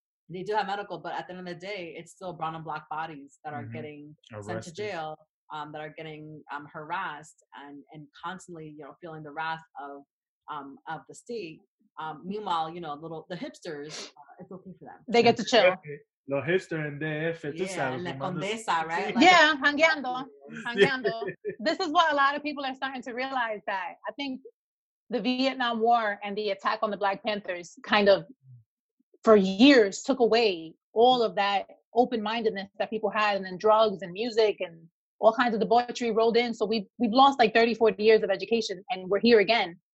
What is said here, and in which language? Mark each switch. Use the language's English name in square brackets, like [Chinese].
[English] They do have medical, but at the end of the day, it's still brown and black bodies that are getting sent to jail, that are getting harassed and constantly, you know, feeling the wrath of the state. Meanwhile, you know, the hipsters, it's okay for them. They get to chill. [Spanish] Los hipsters en DF, tú sabes. [English] La Condesa, right? Like, yeah, hangueando. This is what a lot of people are starting to realize, that I think the Vietnam War and the attack on the Black Panthers kind of, for years, took away all of that open-mindedness that people had, and then drugs and music and all kinds of debauchery rolled in. So we've lost like 30, 40 years of education, and we're here again.